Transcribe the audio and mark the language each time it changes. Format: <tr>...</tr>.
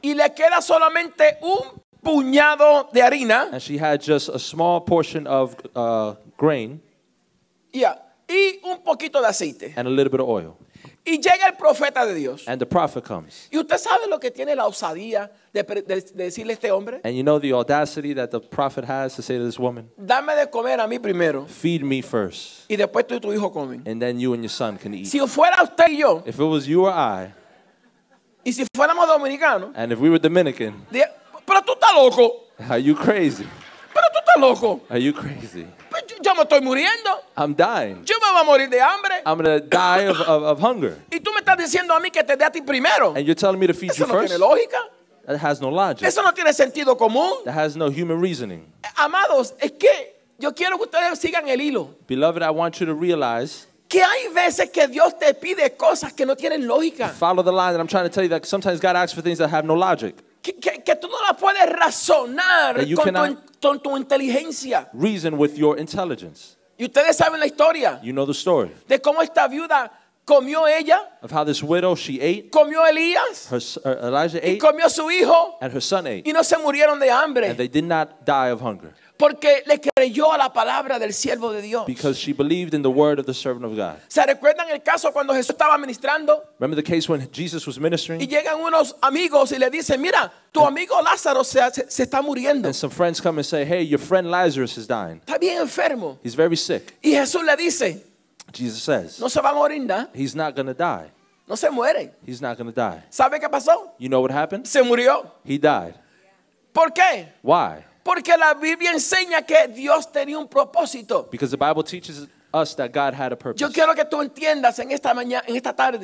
<es>Y le queda solamente un puñado de harina.</es> <en>And she had just a small portion of grain.</en> <es>Yeah. Y un poquito de aceite.</es> <en>And a little bit of oil.</en> <es>Y llega el profeta de Dios.</es> <en>And the prophet comes.</en> <es>¿Y usted sabe lo que tiene la osadía de decirle a este hombre?</es> <en>And you know the audacity that the prophet has to say to this woman.</en> <es>Dame de comer a mí primero.</es> <en>Feed me first.</en> <es>Y después tú y tu hijo comen.</es> <en>And then you and your son can eat.</en> <es>Si fuera usted y yo.</es> <en>If it was you or I.</en> <es>Y si fuéramos dominicanos.</es> <en>And if we were Dominican.</en> <es>Pero tú estás loco.</es> <en>Are you crazy?</en> <es>Pero tú estás loco.</es> <en>Are you crazy?</en> <es>Yo me estoy muriendo.</es> <en>I'm dying.</en> <es>Yo me voy a morir de hambre.</es> <en>I'm going to die of hunger.</en> <es>Y tú me estás diciendo a mí que te dé a ti primero.</es> <en>And you're telling me to feed</en> <es>eso</es> <en>you</en> <es>no</es> <en>first.</en> <es>Eso no tiene lógica.</es> <en>That has no logic.</en> <es>Eso no tiene sentido común.</es> <en>That has no human reasoning.</en> <es>Amados, es que yo quiero que ustedes sigan el hilo.</es> <en>Beloved, I want you to realize</en> <es>que hay veces que Dios te pide cosas que no tienen lógica.</es> <en>Follow the line that I'm trying to tell you, that sometimes God asks for things that have no logic.</en> <es>Que tú no la puedes razonar con tu inteligencia.</es> <en>Reason with your intelligence.</en> <es>Y ustedes saben la historia.</es> <en>You know the story.</en> <es>De cómo esta viuda comió ella,</es> <en>of how this widow she ate,</en> <es>comió Elías,</es> <en>Elijah ate,</en> <es>y comió su hijo,</es> <en>and her son ate,</en> <es>y no se murieron de hambre,</es> <en>and they did not die of hunger,</en> <es>porque le creyó a la palabra del siervo de Dios.</es> <en>Because she believed in the word of the servant of God.</en> <es>¿Se recuerdan el caso cuando Jesús estaba ministrando?</es> <en>Remember the case when Jesus was ministering?</en> <es>Y llegan unos amigos y le dicen, mira, tu amigo Lázaro se está muriendo.</es> <en>And some friends come and say, hey, your friend Lazarus is dying.</en> <es>Está bien enfermo.</es> <en>He's very sick.</en> <es>Y Jesús le dice,</es> <en>Jesus says,</en> <es>no se va a morir, ¿no?</es> <en>He's not going to die.</en> <es>No se muere.</es> <en>He's not going to die.</en> <es>¿Sabe qué pasó?</es> <en>You know what happened?</en> <es>Se murió.</es> <en>He died.</en> <es>¿Por qué?</es> <en>Why?</en> <es>Porque la Biblia enseña que Dios tenía un propósito.</es> <en>Because the Bible teaches us that God had a purpose.</en> <es>Yo quiero que tú entiendas en esta mañana, en esta tarde.</es>